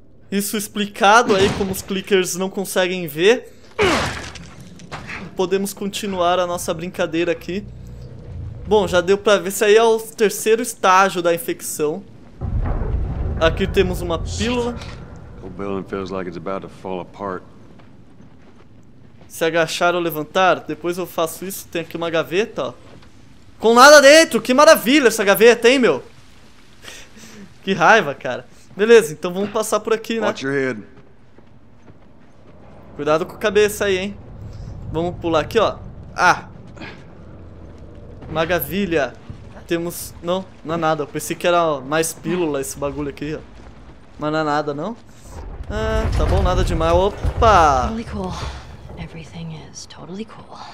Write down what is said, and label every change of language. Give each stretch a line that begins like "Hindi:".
Portuguese: Isso explicado aí como os clickers não conseguem ver. Podemos continuar a nossa brincadeira aqui. Bom, já deu pra ver. Esse aí é o terceiro estágio da infecção. Aqui temos uma pílula.
English: O building feels like it's about to fall apart.
Portuguese: Se agachar ou levantar, depois eu faço isso. Tem aqui uma gaveta, ó. Com nada dentro! Que maravilha essa gaveta, hein, meu? Que raiva, cara. Beleza, então vamos passar por aqui, né?
English: Watch your head.
Portuguese: Cuidado com a cabeça aí, hein? Vamos pular aqui, ó. Ah! Magavilha. Temos... Não, não é nada. Eu pensei que era mais pílula esse bagulho aqui, ó. Mas não é nada, não? Ah, tá bom, nada demais. Opa!
English: Totally cool. Everything is totally cool.